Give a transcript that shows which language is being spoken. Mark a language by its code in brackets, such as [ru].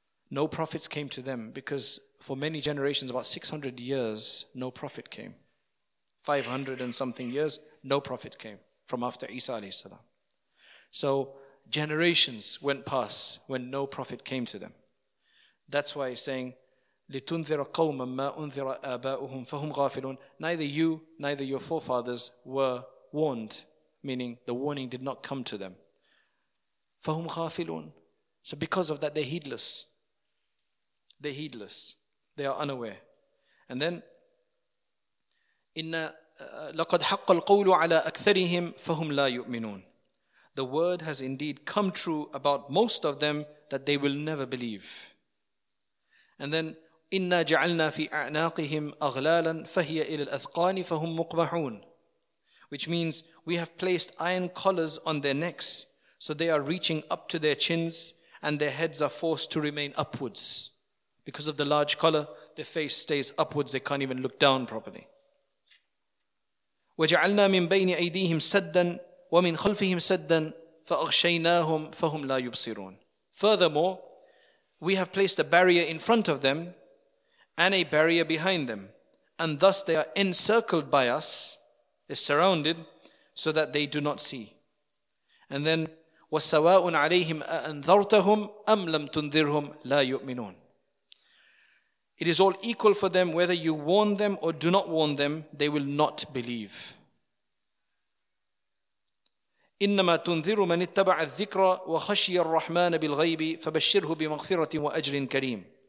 [en] No prophets came to them, because for many generations, about 600 years, no prophet came. 500 and something years, no prophet came from after Isa alayhi salam. So generations went past when no prophet came to them. That's why he's saying, [ar] لِتُنذِرَ قَوْمًا مَا أُنذِرَ آبَاؤُهُمْ فَهُمْ غَافِلُونَ. [en] Neither you, neither your forefathers were warned, meaning the warning did not come to them. [ar] فَهُمْ غَافِلُونَ. [en] So because of that, they're heedless. They're heedless. They are unaware. And then, [ar] إِنَّ لَقَدْ حَقَّ الْقَوْلُ عَلَىٰ أَكْثَرِهِمْ فَهُمْ لَا يُؤْمِنُونَ. [en] The word has indeed come true about most of them that they will never believe. And then, [ar] إِنَّا جَعَلْنَا فِي أَعْنَاقِهِمْ أَغْلَالًا فَهِيَ إِلَى الْأَثْقَانِ فَهُمْ مُقْمَحُونَ. [en] Which means, we have placed iron collars on their necks, so they are reaching up to their chins, and their heads are forced to remain upwards. Because of the large collar, their face stays upwards. They can't even look down properly. [ar] وَجَعَلْنَا مِنْ بَيْنِ أَيْدِيهِمْ سَدًّا وَمِنْ خَلْفِهِمْ سَدًّا فَأَغْشَيْنَاهُمْ فَهُمْ لَا يُبْصِرُونَ. [en] Furthermore, we have placed a barrier in front of them and a barrier behind them. And thus they are encircled by us, they're surrounded, so that they do not see. And then, [ar] وَالسَّوَاءٌ عَلَيْهِمْ أَأَنذَرْتَهُمْ أَمْ لَمْ تُنذِرْهُمْ لَا يُؤْمِنُونَ. [en] It is all equal for them, whether you warn them or do not warn them, they will not believe. [ar] إِنَّمَا تُنذِرُ مَنِ اتَّبَعَ الذِّكْرَ وَخَشِيَ الرَّحْمَنَ بِالْغَيْبِ فَبَشِّرْهُ بِمَغْفِرَةٍ وَأَجْرٍ كَرِيمٍ.